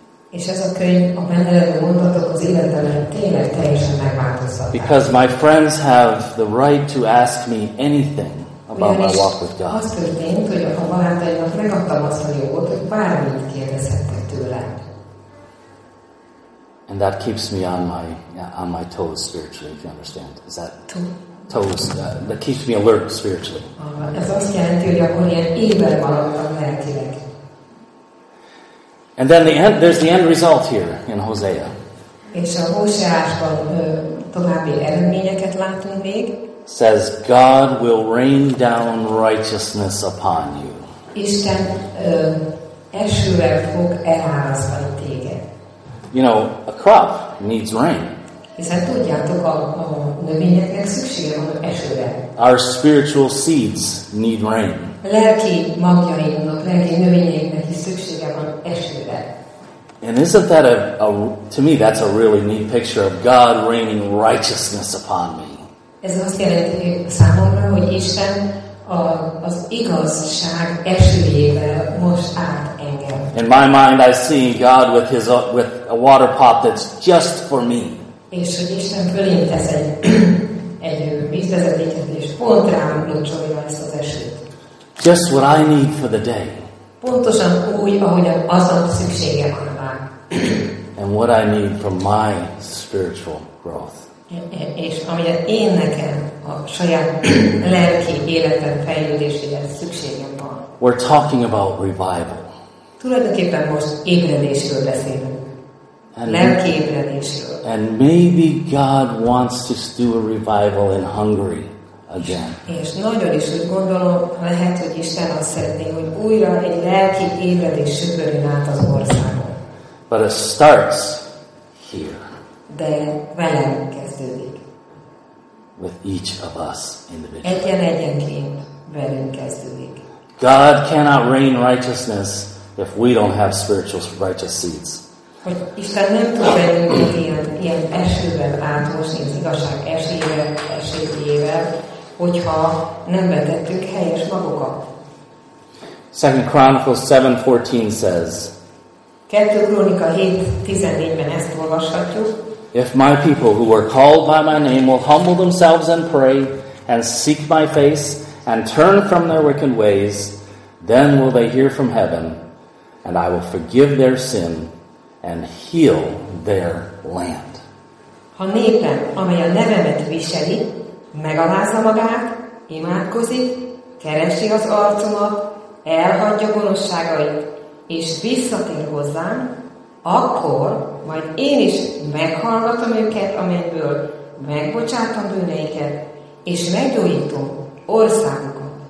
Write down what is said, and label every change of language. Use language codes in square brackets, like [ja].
[hu] És ez a könyv, a benne levő mondatok az életemben tényleg teljesen megváltoztatták. [en] Because my friends have the right to ask me anything about [hu] ugyanis [en] my walk with God. [hu] Az történt, hogy a barátaimnak megadtam azt a jogot, hogy bármit kérdezhettek tőlem. [en] And that keeps me on my toes spiritually, if you understand. Is that toes? That keeps me alert spiritually. [hu] Ez azt jelenti, hogy akkor ilyen éber maradtam lelkileg. [en] And then there's the end result here in Hosea. [hu] És a Hoseásban további eredményeket látunk még. [en] Says God will rain down righteousness upon you. [hu] Isten esővel fog elárasztani téged. [en] You know, a crop needs rain. [hu] Hiszen tudjátok, a növényeknek szüksége van esőre. [en] Our spiritual seeds need rain. [hu] Lelki magjainknak, lelki növényeinknek is szüksége van esőre. [en] And isn't that to me, that's a really neat picture of God raining righteousness upon me. [hu] Ez azt jelenti számomra, hogy Isten az igazság esőjével most át engem. [en] In my mind I see God with his with a water pot that's just for me. [hu] És hogy Isten fölén tesz egy vízvezetéket, és pont rám locsolja ezt az esőt. [en] Just what I need for the day. [hu] Pontosan úgy, ahogy az a szüksége van rá. [en] And what I need for my spiritual growth. [hu] És amire én nekem a saját lelki életem fejlődéséhez szükségem van. [en] We're talking about revival. [hu] Tulajdonképpen most ébredésről beszélünk. Lelki ébredésről. [en] And maybe God wants to do a revival in Hungary again. [hu] És nagyon is úgy gondolom, lehet, hogy Isten azt szeretné, hogy újra egy lelki ébredés söpörjön át az országon. [en] But it starts here. [hu] De velem kezdődik. [en] With each of us individually. [hu] Egyen-egyenként velünk kezdődik. [en] God cannot rain righteousness if we don't have spiritual righteous seeds. [hu] Hogy Isten nem tud bennünk ilyen esőben átmosni az igazság esélyével, hogyha nem vetettük helyes magukat. [en] 2 Chronicles 7:14 says, [hu] 2 Krónika 7:14-ben ezt olvashatjuk. [en] If my people who are called by my name will humble themselves and pray and seek my face and turn from their wicked ways, then will they hear from heaven and I will forgive their sin and heal their land. [hu] Ha népem, amely a nevemet viseli, megalázza magát, imádkozik, keresi az arcomat, elhagyja gonoszságait, és visszatér hozzám, akkor majd én is meghallgatom őket a mennyből, megbocsátom bűneiket, és meggyógyítom országukat.